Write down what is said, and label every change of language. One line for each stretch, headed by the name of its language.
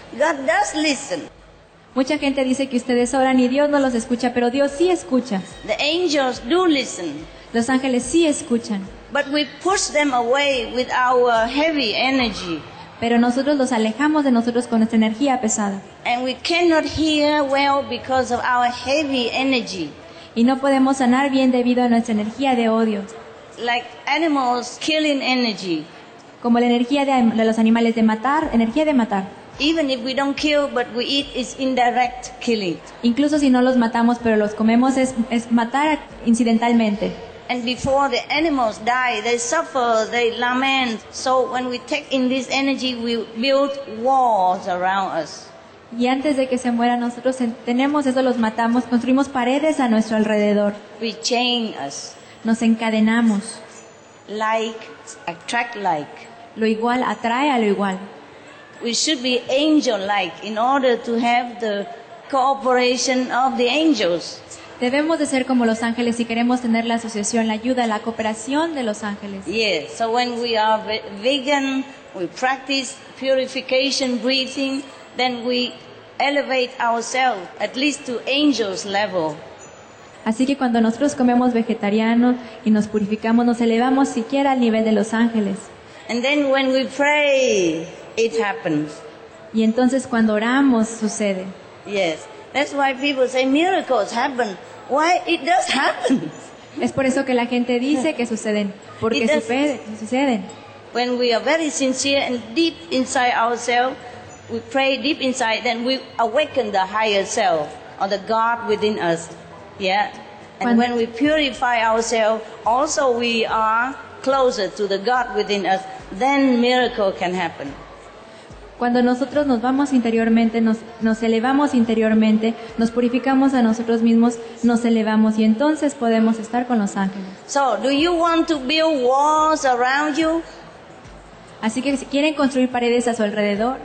English: God does listen.
Spanish: Mucha gente dice que ustedes oran y Dios no los escucha, pero Dios sí escucha.
English: The angels do listen.
Spanish: Los ángeles sí escuchan.
English: But we push them away with our heavy energy.
Spanish: Pero nosotros los alejamos de nosotros con nuestra energía pesada.
English: And we cannot heal well because of our heavy energy.
Spanish: Y no podemos sanar bien debido a nuestra energía de odio.
English: Like animals killing energy.
Spanish: Como la energía de los animales de matar, energía de matar.
English: Even if we don't kill, but we eat, is indirect killing.
Spanish: Incluso si no los matamos, pero los comemos, es matar incidentalmente.
English: And before the animals die, they suffer, they lament. So when we take in this energy, we build walls around us.
Spanish: Y antes de que se mueran, nosotros tenemos eso, los matamos, construimos paredes a nuestro alrededor.
English: We chain us.
Spanish: Nos encadenamos.
English: Like attract like.
Spanish: Lo igual atrae a lo igual.
English: We should be angel-like in order to have the cooperation of the angels.
Spanish: Debemos de ser como los ángeles si queremos tener la asociación, la ayuda, la cooperación de los ángeles.
English: Yes. So when we are vegan, we practice purification breathing, then we elevate ourselves at least to angels level.
Spanish: Así que cuando nosotros comemos vegetarianos y nos purificamos, nos elevamos siquiera al nivel de los ángeles.
English: And then when we pray, it happens.
Spanish: Y entonces cuando oramos, sucede.
English: Yes. That's why people say miracles happen. Why? It does happen.
Spanish: Es por eso que la gente dice que suceden, porque suceden.
English: When we are very sincere and deep inside ourselves, we pray deep inside, then we awaken the higher self or the God within us. Yeah. And
Spanish: cuando,
English: when we purify ourselves, also we are closer to the God within us, then miracle can happen.
Spanish: Cuando nosotros nos vamos interiormente, nos elevamos interiormente, nos purificamos a nosotros mismos, nos elevamos y entonces podemos estar con los ángeles.
English: So, do you want to build walls around you?
Spanish: Así que si quieren construir paredes a su alrededor.